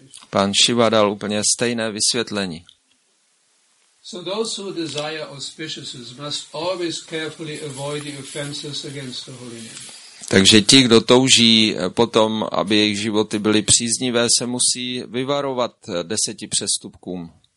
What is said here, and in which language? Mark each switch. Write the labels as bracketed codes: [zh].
[cs] Pán Shiva dal úplně stejné vysvětlení. [en] So those who desire auspiciousness must always carefully avoid the offenses against the holy name. [cs] Takže ti, kdo touží potom, aby jejich životy byly příznivé, se musí vyvarovat 10 přestupkům.